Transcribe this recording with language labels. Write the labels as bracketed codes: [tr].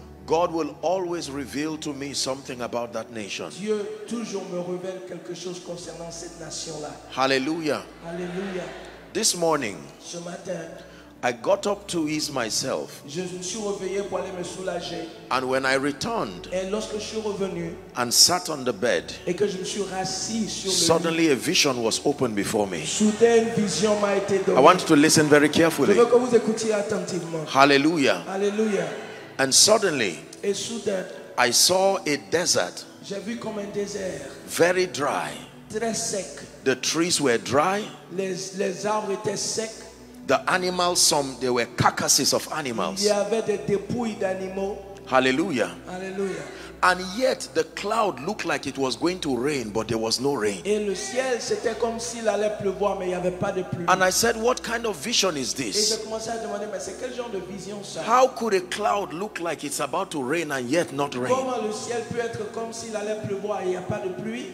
[en] God will always reveal to me something about that nation. [fr] Dieu toujours me révèle quelque chose concernant cette nation-là. [en] Hallelujah. [fr] Hallelujah. [en] This morning, [fr] ce matin, [en] I got up to ease myself. [fr] Je me suis réveillé pour aller me soulager. [en] And when I returned, [fr] et lorsque je suis revenu, [en] and sat on the bed, [fr] et que je me suis rassis sur le lit, [en] suddenly a vision was opened before me. [fr] Soudain, une vision m'a été donnée. [en] I want you to listen very carefully. [fr] Je veux que vous écoutiez attentivement. [en] Hallelujah. [fr] Hallelujah. [en] And suddenly, [fr] et soudain, [en] I saw a desert, [fr] j'ai vu comme un désert, [en] very dry, [fr] très sec. [en] The trees were dry, [fr] les arbres étaient secs. [en] The animals, some, they were carcasses of animals. [fr] Il y avait des dépouilles d'animaux. [en] Hallelujah. [fr] Hallelujah. [en] And yet the cloud looked like it was going to rain, but there was no rain. [fr] Et le ciel, c'était comme s'il allait pleuvoir, mais il y avait pas de pluie. [en] And I said, what kind of vision is this? [fr] Et j'ai commencé à demander, mais c'est quel genre de vision ça? [en] How could a cloud look like it's about to rain and yet not rain? [fr] Comment le ciel peut être comme s'il allait pleuvoir et il y a pas de pluie?